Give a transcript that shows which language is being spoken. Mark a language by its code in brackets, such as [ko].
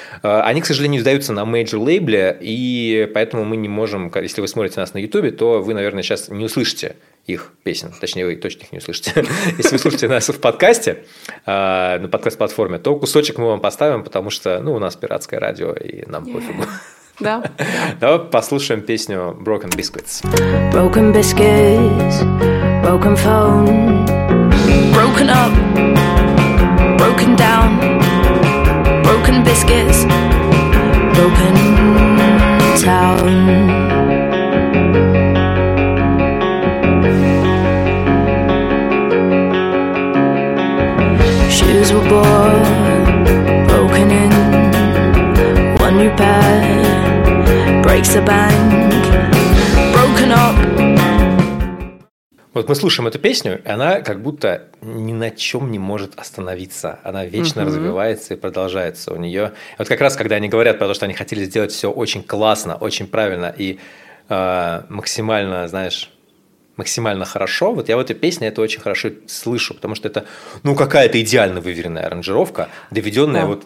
[ru] Они, к сожалению, издаются на мейджор-лейбле, и поэтому мы не можем, если вы смотрите нас на Ютубе, то вы, наверное, сейчас не услышите их песен, точнее, вы точно их не услышите. Если вы слушаете нас в подкасте, на подкаст-платформе, то кусочек мы вам поставим, потому что, ну, у нас пиратское радио, и нам пофигу. Да. Давай послушаем песню Broken Biscuits. [en] Broken biscuits, broken phone. Broken up, broken down, broken biscuits, broken town. Shoes were bought, broken in, one new pair breaks the bank, broken up. [ru] Вот мы слушаем эту песню, и она как будто ни на чем не может остановиться. Она вечно mm-hmm. развивается и продолжается у нее. Вот как раз, когда они говорят про то, что они хотели сделать все очень классно, очень правильно и максимально, знаешь, максимально хорошо, вот я в этой песне это очень хорошо слышу, потому что это, ну, какая-то идеально выверенная аранжировка, доведенная yeah.